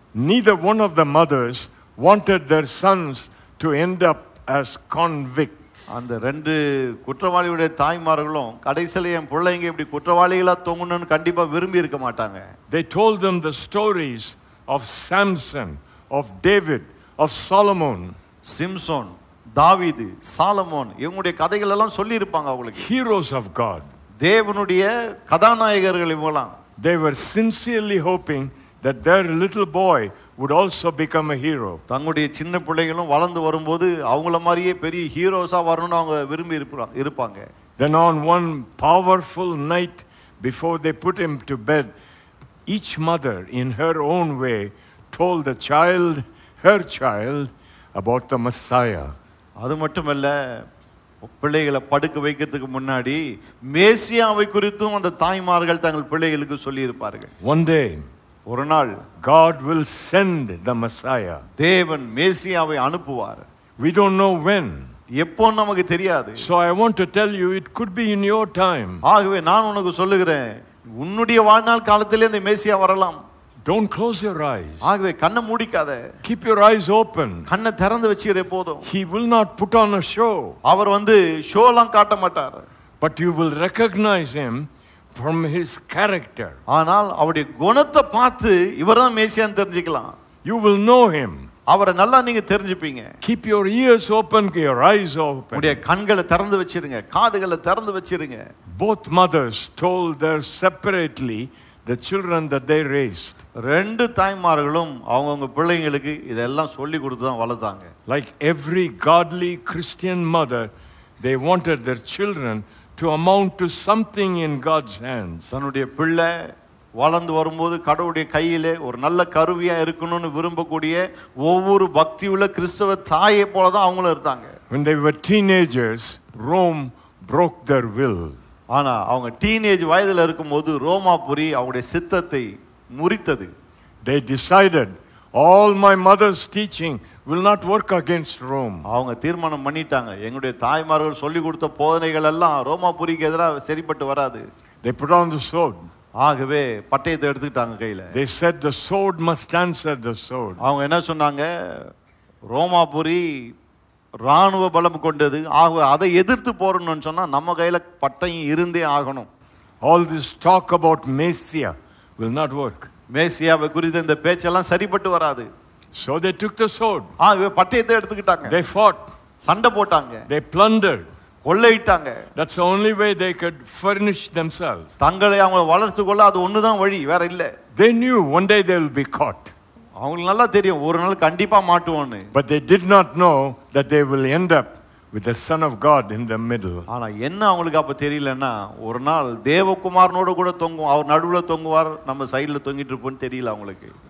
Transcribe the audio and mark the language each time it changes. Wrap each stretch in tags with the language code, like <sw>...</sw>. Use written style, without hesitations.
<en>Neither one of the mothers wanted their sons to end up as convicts.</en> <ta>அந்த ரெண்டு குற்றவாளியுடைய தாய்மார்களும் கடைசியில் என் பிள்ளைங்க இப்படி குற்றவாளிகளா தொங்கணும்னு கண்டிப்பா விரும்பி இருக்க மாட்டாங்க.</ta> <en>They told them the stories of Samson, of David, of Solomon.</en> <ta>Samson, தாவீது, சாலமோன் இவங்களுடைய கதைகள் எல்லாம் சொல்லி இருப்பாங்க அவங்களுக்கு.</ta> <en>Heroes of God.</en> <ta>தேவனுடைய கதாநாயகர்கள் இவங்கலாம்.</ta> <en>They were sincerely hoping that their little boy would also become a hero.</en> <ta>தங்களுடைய சின்ன பிள்ளைகளும் வளர்ந்து வரும்போது அவங்கள மாதிரியே பெரிய ஹீரோஸா வரணும்னு அவங்க விரும்பி இருப்பாங்க.</ta> <en>Then on one powerful night before they put him to bed, each mother in her own way told the child, her child, about the Messiah.</en> <ta>அது மட்டுமல்ல, பிள்ளைகளை படுக்க வைக்கிறதுக்கு முன்னாடி மேசியாவை குறித்தும் அந்த தாய்மார்கள் தங்கள் பிள்ளைகளுக்கு சொல்லி இருப்பார்கள்.</ta> <en>One day,</en> <ta>ஒரு நாள்,</ta> <en>God will send the Messiah.</en> <ta>தேவன் மேசியாவை அனுப்புவார்.</ta> <en>We don't know when.</en> <ta>எப்போ நமக்கு தெரியாது.</ta> <en>So I want to tell you, it could be in your time.</en> <ta>ஆகவே நான் உனக்கு சொல்லுகிறேன், உன்னுடைய வாழ்நாள் காலத்திலே இந்த மேசியா வரலாம்.</ta> <en>Don't close your eyes.</en> <ta>ஆகவே கண்ணை மூடிக்காத.</ta> <en>Keep your eyes open.</en> <ta>கண்ணை திறந்து வச்சிரே போதும்.</ta> <en>He will not put on a show.</en> <ta>அவர் வந்து ஷோலாம் காட்ட மாட்டார்.</ta> <en>But you will recognize him from his character.</en> <ta>ஆனால் அவருடைய குணத்தை பார்த்து இவர்தான் மேசியா தெரிஞ்சிக்கலாம்.</ta> <en>You will know him.</en> <ta>அவரை நல்லா நீங்க தெரிஞ்சுப்பீங்க.</ta> <en>Keep your ears open, your eyes open.</en> <ta>உடைய கண்களை திறந்து வச்சிருங்க, காதுகளை திறந்து வச்சிருங்க.</ta> <en>Both mothers told their separately the children that they raised.</en> <ta>ரெண்டு தாய்மார்களும் அவங்கவங்க பிள்ளைங்களுக்கு இதெல்லாம் சொல்லி கொடுத்து தான் வளர்த்தாங்க.</ta> <en>Like every godly Christian mother, they wanted their children to amount to something in God's hands.</en> <ta>தன்னுடைய பிள்ளை வளர்ந்து வரும்போது கடவுளுடைய கையிலே ஒரு நல்ல கருவியா இருக்கணும்னு விரும்பக்கூடிய ஒவ்வொரு பக்தியுள்ள கிறிஸ்தவ தாயை போல தான் அவங்களும் இருந்தாங்க.</ta> <en>When they were teenagers, Rome broke their will.</en> <ta>ஆனா அவங்க டீனேஜ் வயதுல இருக்கும்போது ரோமாபுரி அவங்களுடைய சித்தத்தை முறித்தது.</ta> <en>They decided All my mother's teaching will not work against Rome.</en> <ta>அவங்க தீர்மானம் பண்ணிட்டாங்க. எங்களுடைய தாய்மார்கள் சொல்லி கொடுத்த போதனைகள் எல்லாம் ரோமாபுரிக்கு எதிராக சரிபட்டு வராது.</ta> <en>They put on the sword.</en> <ta>ஆகவே பட்டயத்தை எடுத்துட்டாங்க கையில.</ta> <en>They said the sword must answer the sword.</en> <ta>அவங்க என்ன சொன்னாங்க? ரோமாபுரி ராணுவ பலம் கொண்டது. ஆகவே அதை எதிர்த்து போறணும்னு சொன்னா நம்ம கையில பட்டயம் இருந்தே ஆகணும்.</ta> <en>All this talk about Messiah will not work.</en> <ta>மேசியாவை குறித்த இந்த பேச்செல்லாம் சரிபட்டு வராது.</ta> <en>So they took the sword.</en> <ta>பட்டயத்தை எடுத்துக்கிட்டாங்க.</ta> <en>They fought.</en> <ta>சண்டை போட்டாங்க.</ta> <en>They plundered.</en> <ta>கொள்ளையிட்டாங்க.</ta> <en>That's the only way they could furnish themselves.</en> <ta>தங்களை அவங்க வளர்த்து கொள்ள அது ஒண்ணுதான் வழி, வேற இல்ல.</ta> <en>They knew one day they will be caught.</en> <ta>அவங்களுக்கு நல்லா தெரியும் ஒரு நாள் கண்டிப்பா மாட்டுவோம்னு.</ta> <en>But they did not know that they will end up with the Son of God in the middle.</en> <ta>ஆனா என்ன அவங்களுக்கு அப்ப தெரியலன்னா ஒரு நாள் தேவகுமாரனோட கூட தொங்கும், அவர் நடுவுல தொங்குவார், நம்ம சைடுல தொங்கிட்டு இருப்போம்னு தெரியல அவங்களுக்கு.</ta>